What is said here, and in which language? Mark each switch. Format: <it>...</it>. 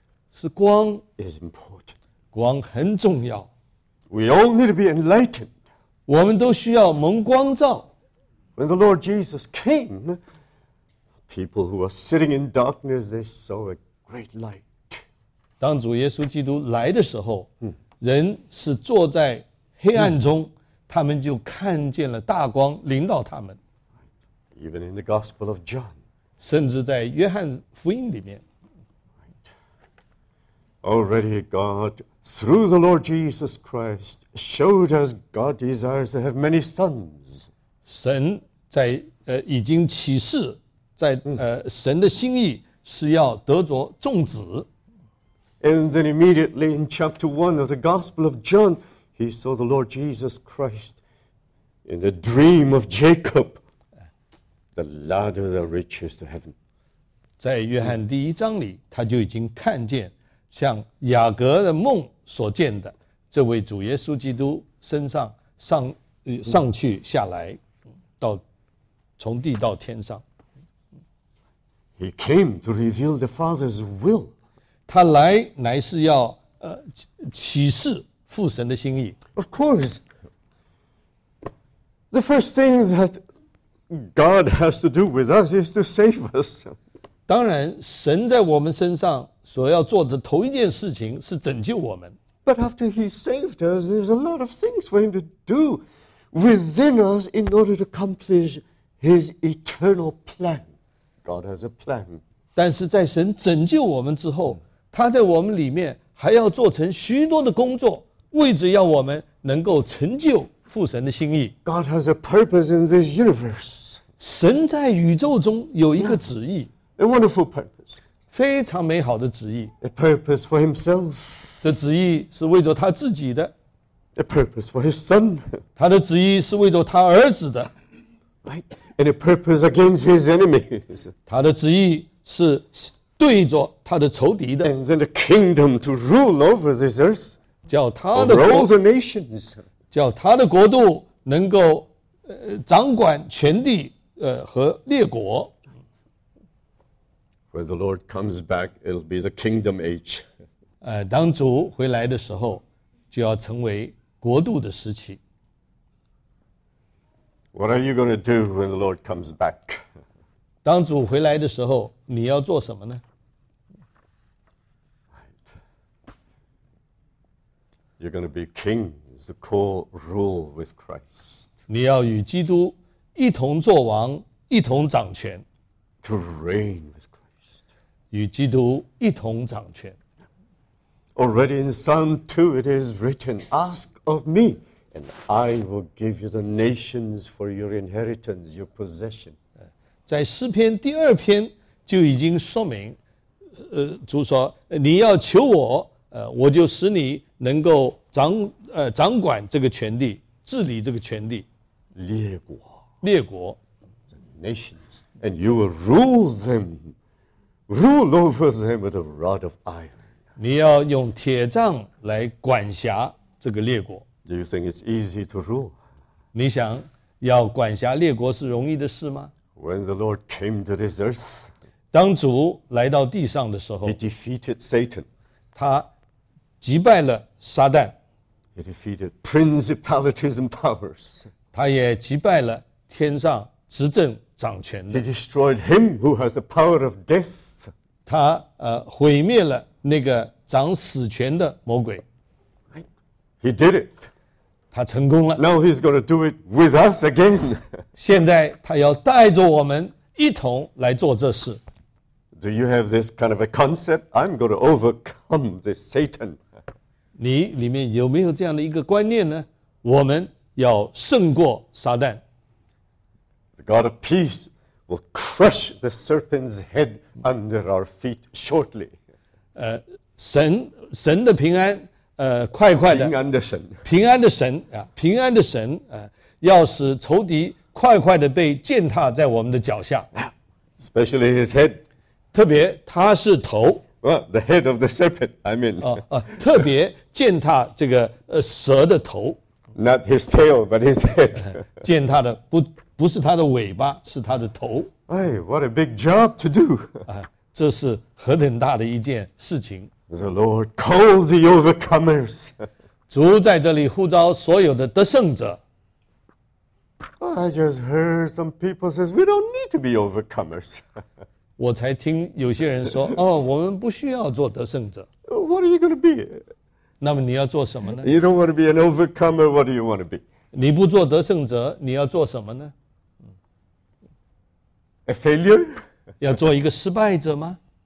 <zh>是光</zh> <en>is important.</en> <zh>光很重要。</zh> <en>We all need to be enlightened.</en> <zh>我们都需要蒙光照。</zh> <en>When the Lord Jesus came, people who were sitting in darkness, they saw a great light.</en> <zh>当主耶稣基督来的时候，人是坐在黑暗中，他们就看见了大光临到他们。</zh> <en>Even in the Gospel of John.</en> <zh>甚至在约翰福音里面。</zh> <en>Already God, through the Lord Jesus Christ, showed us God desires to have many sons.</en> <zh>神在已经启示在神的心意是要得着众子。</zh> <en>And then immediately in chapter 1 of the Gospel of John, he saw the Lord Jesus Christ in the dream of Jacob, the ladder that reaches to heaven.</en> <zh>在约翰第一章里他就已经看见像雅各的梦所见的这位主耶稣基督身上 上去下来到从地到天上。</zh> <en>He came to reveal the Father's will.</en> <zh>他来乃是要启示父神的心意。</zh> <en>Of course, the first thing that God has to do with us is to save us.</en> <zh>当然神在我们身上所要做的头一件事情是拯救我们。</zh> <en>But after he saved us, there's a lot of things for him to do within us in order to accomplish his eternal plan. God has a plan.</en> <zh>但是在神拯救我们之后，他在我们里面还要做成许多的工作，为着要我们能够成就父神的心意。</zh> <en>God has a purpose in this universe.</en> <zh>神在宇宙中有一个旨意。</zh> <en>A wonderful purpose.</en> <zh>非常美好的旨意。</zh> <en>A purpose for himself.</en> <zh>这旨意是为着他自己的。</zh> <en>A purpose for his son.</en> <zh>他的旨意是为着他儿子的。</zh> <en>Right. And a purpose against his enemies.</en> <zh>他的旨意是对着他的仇敌的。</zh> <en>And then the kingdom to rule over this earth.</en> <zh>叫他的</zh> <en>国 Over all the nations.</en> <zh>叫他的国度能够掌管全地和列国。</zh> <en>When the Lord comes back, it'll be the kingdom age.</en> <zh>当主回来的时候，就要成为国度的时期。</zh> <en>What are you going to do when the Lord comes back?</en> <zh>当主回来的时候，你要做什么呢？</zh> <en>Right. You're going to be kings, co-rule with Christ.</en> <zh>你要与基督一同作王，一同掌权。</zh> <en>To reign with Christ.</en> <zh>与基督一同掌权。</zh> <en>Already in Psalm 2 it is written, Ask of me. And I will give you the nations for your inheritance, your possession.</en> <zh>在诗篇第二篇就已经说明，主说你要求我，我就使你能够掌管这个权地，治理这个权地。</zh> <en>列国 the nations, and you will rule over them with a rod of iron.</en> <zh>你要用铁杖来管辖这个列国。</zh> <en>Do you think it's easy to rule?</en> <zh>你想要管辖列国是容易的事吗？</zh> <en>When the Lord came to this earth,</en> <zh>当主来到地上的时候，</zh> <en>He defeated Satan.</en> <zh>他击败了撒旦。</zh> <en>He defeated principalities and powers.</en> <zh>他也击败了天上执政掌权的。</zh> <en>He destroyed him who has the power of death.</en> <zh>他毁灭了那个掌死权的魔鬼。</zh> <en>He did it.</en> <zh>他成功了。</zh> <en>Now he's going to do it with us again.</en> <zh>现在他要带着我们一同来做这事。</zh> <en>Do you have this kind of a concept? I'm going to overcome this Satan.</en> <zh>你里面有没有这样的一个观念呢？我们要胜过撒旦。</zh> <en>The God of peace will crush the serpent's head under our feet shortly.</en> <zh>神的平安。快快的，平安的神、要使仇敌快快的被践踏在我们的脚下。</zh> <en>Especially his head.</en> <zh>特别他是头。</zh> <en>Well, the head of the serpent, I mean.</en> <zh>特别践踏这个蛇的头。</zh> <en>Not his tail, but his head.</en> <zh>践踏的不是他的尾巴，是他的头。</zh> <en>Hey, what a big job to do.</en> <zh>这是何等大的一件事情。</zh> <en>The Lord calls the overcomers.</en> <zh>主在这里呼召所有的得胜者。</zh> <en>I just heard some people say we don't need to be overcomers.</en> <zh>我才听有些人说，我们不需要做得胜者。</zh> <en>What are you going to be?</en> <zh>那么你要做什么呢？</zh> <en>You don't want to be an overcomer. What do you want to be?</en> <zh>你不做得胜者，你要做什么呢？</zh> <en>A failure?</en> <zh>要做一个失败者吗？</zh>